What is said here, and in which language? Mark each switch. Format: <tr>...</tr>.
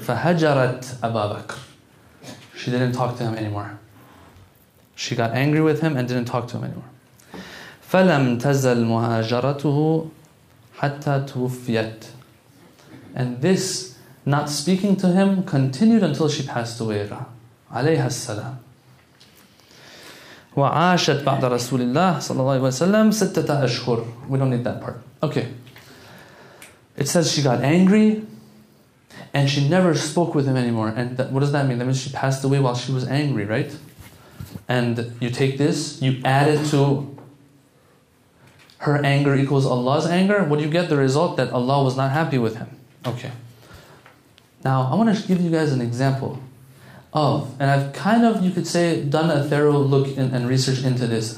<ar>Fahajarat Aba Bakr.</ar> <en>She didn't talk to him anymore. She got angry with him and didn't talk to him anymore.</en> <ar>فَلَمْ تَزَلْ مُهَاجَرَتُهُ حَتَّى تُوفِيَتْ.</ar> <en>And this, not speaking to him, continued until she passed away.</en> <ar>عليها السلام. وَعَاشَتْ بَعْدَ رَسُولِ اللَّهِ صَلَى اللَّهِ وَسَلَّمَ سَتَّةَ أَشْهُرٍ.</ar> <en>We don't need that part. Okay. It says she got angry, and she never spoke with him anymore. And what does that mean? That means she passed away while she was angry, right? And you take this, you add it to her anger equals Allah's anger. What do you get? The result that Allah was not happy with him. Okay. Now, I want to give you guys an example of, and I've kind of, you could say, done a thorough look and research into this.</en>